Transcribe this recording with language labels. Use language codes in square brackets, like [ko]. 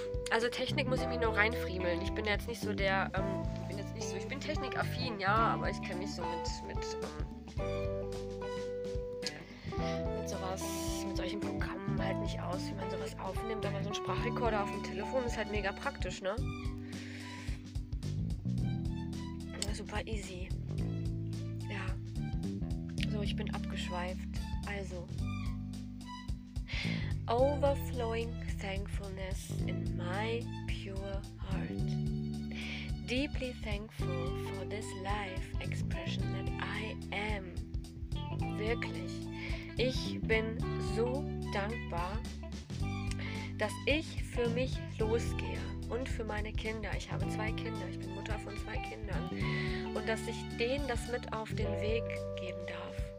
[de] Also Technik muss ich mich nur reinfriemeln. Ich bin jetzt nicht so der, ich bin technikaffin, ja, aber ich kenne mich so mit solchen Programmen halt nicht aus, wie man sowas aufnimmt. Aber so ein Sprachrekorder auf dem Telefon ist halt mega praktisch, ne? [en] Super easy. [de] Ja. So, ich bin abgeschweift. Also. [en] Overflowing thankfulness in my pure heart. Deeply thankful for this life expression that I am. [de] Wirklich. Ich bin so dankbar, dass ich für mich losgehe und für meine Kinder. Ich habe zwei Kinder. Ich bin Mutter von zwei Kindern. Und dass ich denen das mit auf den Weg geben darf.